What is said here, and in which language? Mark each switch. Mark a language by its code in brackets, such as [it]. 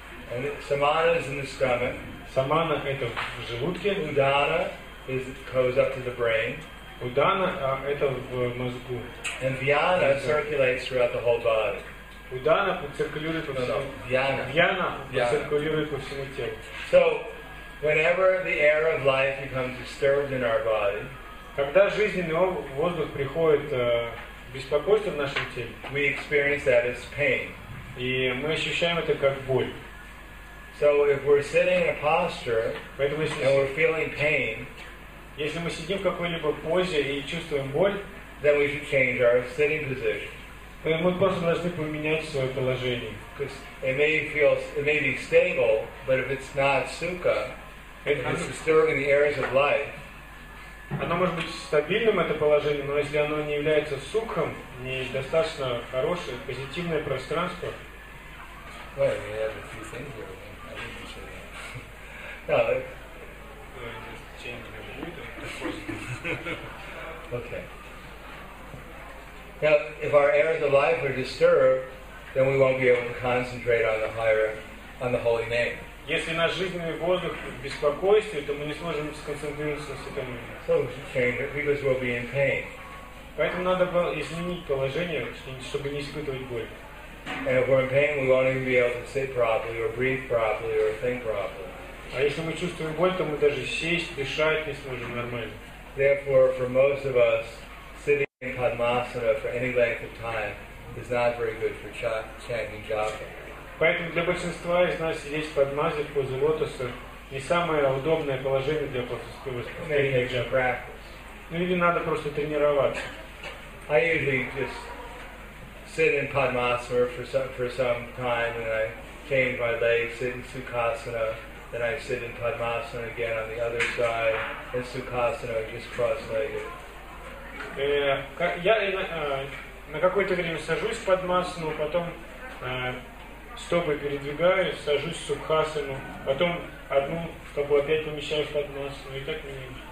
[en] And samana is in the stomach. [ru] Самана это в желудке. [en] Udana is goes up to the brain. [ru] Удана это в мозгу. [en] And dhyana circulates throughout the whole body. [ru] Удана циркулирует по всему. Дьяна. Дьяна циркулирует по всему телу. [en] So, whenever the air of life becomes disturbed in our body, [ru] когда жизненный воздух приходит беспокойство в нашем теле, [en] we experience that as pain. [ru] И мы ощущаем это как боль. [en] So, if we're sitting in a posture, [ru] поэтому [en] and we're feeling pain. [ru] Если мы сидим в какой-либо позе и чувствуем боль, [en] then we should change our sitting position. [ru] То мы просто должны поменять свое положение. [en] Because it may be stable, but if it's not sukha, if it's disturbing the areas of life. [ru] Оно может быть стабильным это положение, но если оно не является сукхом, не достаточно хорошее, позитивное пространство. [en] Okay. Now, if our areas of life are disturbed, then we won't be able to concentrate on the higher, on the holy name. [ru] Если наш жизненный воздух в беспокойстве, то мы не сможем сконцентрироваться на святом имени. [en] So we should change it because we'll be in pain. [ru] Поэтому надо было изменить положение, чтобы не испытывать боль. [en] And if we're in pain, we won't even be able to sit properly, or breathe properly, or think properly. [ru] А если мы чувствуем боль, то мы даже сесть, дышать не сможем нормально. [en] Therefore, for most of us, sitting in Padmasana for any length of time is not very good for chanting japa. [ru] Поэтому для большинства из нас сидеть в Падмасане в позе лотоса не самое удобное положение для повторения джапа. Ну или надо просто тренироваться. [en] I usually just sit in Padmasana for some time, and I change my legs, sit in Sukhasana, then I sit in Padmasana again on the other side, and Sukhasana just cross-legged. [ru] Я на какое-то время сажусь в Падмасану, потом стопы передвигаюсь, сажусь в Сукхасану, потом одну стопу опять помещаю в Падмасану, и так меняю.